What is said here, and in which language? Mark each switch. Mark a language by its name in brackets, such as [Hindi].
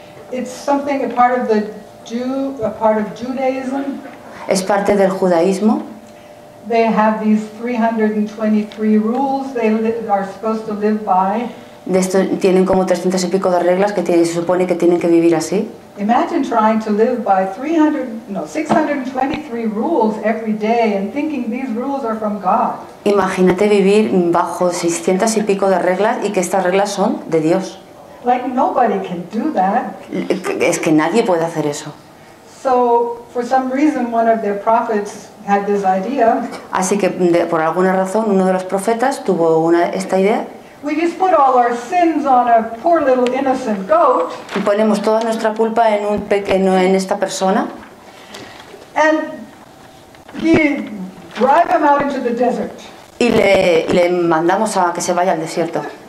[English] It's something a part of the a part of Judaism. [Spanish] Es parte del judaísmo. [English] They have these 323 rules they are supposed to live by. [Spanish] De esto tienen como 300 y pico de reglas que se supone que tienen que vivir así. [English] Imagine trying to live by 623 rules every day and thinking these rules are from God. [Spanish] Imagínate vivir bajo 600 y pico de reglas y que estas reglas son de Dios. [English] Like nobody can do that. [Spanish] Es que nadie puede hacer eso. [English] So for some reason one of their prophets had this idea. [Spanish] Así que por alguna razón uno de los profetas tuvo esta idea. [English] We just put all our sins on a poor little innocent goat. [Spanish] Y ponemos toda nuestra culpa en esta persona. [English] And he drive him out into the desert. [Spanish] Y le mandamos a que se vaya al desierto.